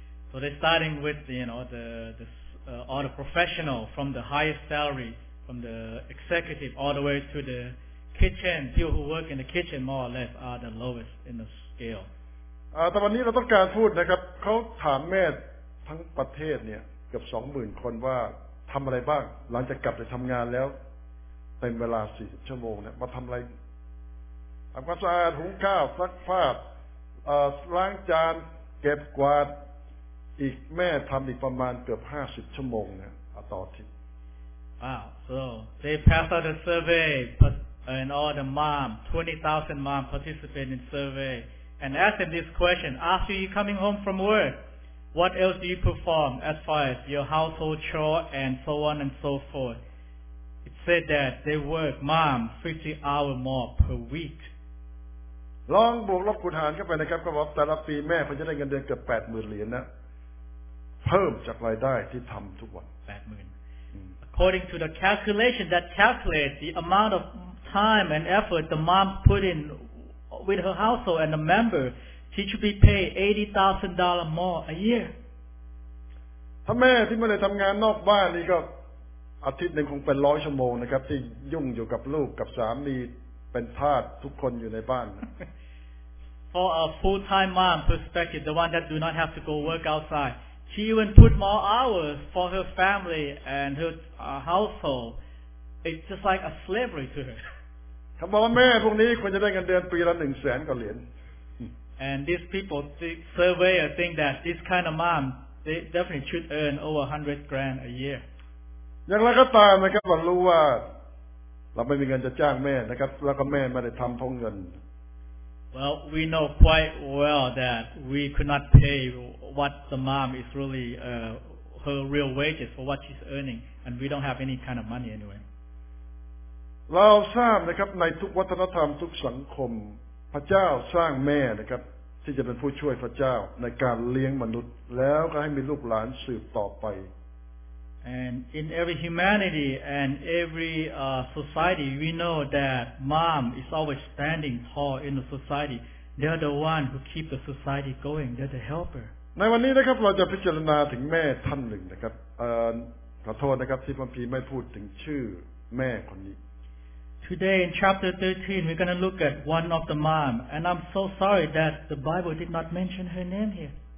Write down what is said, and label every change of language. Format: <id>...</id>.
<en>So they starting with you know the all the professional from the highest salary from the executive all the way to theKitchen people who work in the kitchen more or less are the lowest in the scale.</en> <th>แต่วันนี้เราต้องการพูดนะครับเขาถามแม่ทั้งประเทศเนี่ยเกือบ 20,000 คนว่าทำอะไรบ้างหลังจากกลับจากทำงานแล้วเป็นเวลา40ชั่วโมงเนี่ยมาทำอะไรทำความสะอาดหุงข้าวซักผ้าล้างจานเก็บกวาดอีกแม่ทำอีกประมาณเกือบ50ชั่วโมงเนี่ยต่อที</th> <en>Wow, so they passed out the survey, butAnd all the mom, 20,000 mom participate in survey and ask them this question. After you coming home from work, what else do you perform as far as your household chore and so on and so forth? It said that they work mom 50 hours more per week.</en> <th>ลองบวกลบคูณหารเข้าไปนะครับก็บอกแต่ละปีแม่เขาจะได้เงินเดือนเกือบ80,000 เหรียญนะเพิ่มจากรายได้ที่ทำทุกวัน</th> <en>80,000 according to the calculation that calculates the amount of time and effort the mom put in with her household and the member she should be paid $80,000 more a year</en> <th>ถ้าแม่ที่ไม่ได้ทำงานนอกบ้านนี่ก็อาทิตย์หนึ่งคงเป็น100 ชั่วโมงนะครับที่ยุ่งอยู่กับลูกกับสามีเป็นทาสทุกคนอยู่ในบ้าน</th> <en>For a full-time mom perspective, the one that do not have to go work outside, she even put more hours for her family and her household. It's just like a slavery to her.</en> <th>คำว่าแม่พวกนี้ควรจะได้เงินเดือนปีละ100,000 กว่าเหรียญ</th> <en>And these people, the surveyor think that this kind of mom, they definitely should earn over $100,000 a year.</en> <th>อย่างไรก็ตามนะครับเรารู้ว่าเราไม่มีเงินจะจ้างแม่นะครับแล้วก็แม่ไม่ได้ทำเพราะเงิน</th> <en>Well we know quite well that we could not pay what the mom is really her real wages for what she's earning and we don't have any kind of money anyway</en> <th>เราทราบนะครับในทุกวัฒนธรรมทุกสังคมพระเจ้าสร้างแม่นะครับที่จะเป็นผู้ช่วยพระเจ้าในการเลี้ยงมนุษย์แล้วก็ให้มีลูกหลานสืบต่อไป</th> <en>And in every humanity and every society, we know that mom is always standing tall in the society. They're the one who keep the society going. They're the helper.</en> <th>ในวันนี้นะครับเราจะพิจารณาถึงแม่ท่านหนึ่งนะครับขอโทษนะครับที่พระพีไม่พูดถึงชื่อแม่คนนี้</th> <en>Today in chapter 13, we're going to look at one of the mom. And I'm so sorry that the Bible did not mention her name here.</en>